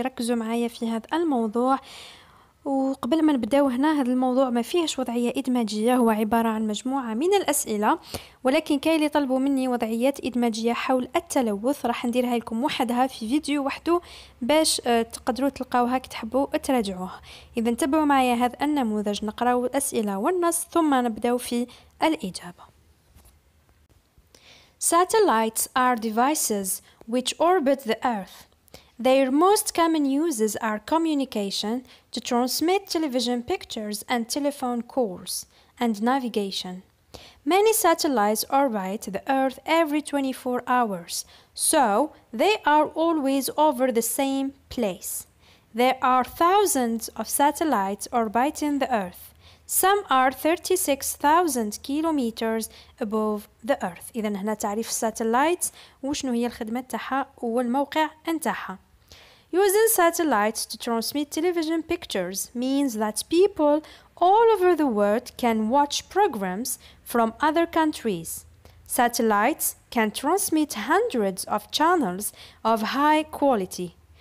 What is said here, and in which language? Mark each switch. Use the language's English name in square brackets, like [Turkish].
[Arabic] ركزوا معايا في هذا الموضوع. وقبل ما نبدأ هنا، هذا الموضوع ما فيهش وضعية إدماجية، هو عبارة عن مجموعة من الأسئلة، ولكن كاي اللي طلبوا مني وضعيات إدماجية حول التلوث راح نديرها لكم وحدها في فيديو وحده باش تقدروا تلقاوها كي تحبوا تراجعوها. إذا تبعوا معايا هذا النموذج، نقرأوا الأسئلة والنص ثم نبدأ في الإجابة. [English] Satellites are devices which orbit the earth. Their most common uses are communication to transmit television pictures and telephone calls, and navigation. Many satellites orbit the Earth every 24 hours, so they are always over the same place. There are thousands of satellites orbiting the Earth. Some are 36,000 kilometers above the Earth. [Arabic] إذن هنا تعريف satellites وشنو هي الخدمة تاعها والموقع تاعها. [English] Using satellites to transmit television pictures means that people all over the world can watch programs from other countries. Satellites can transmit hundreds of channels of high quality.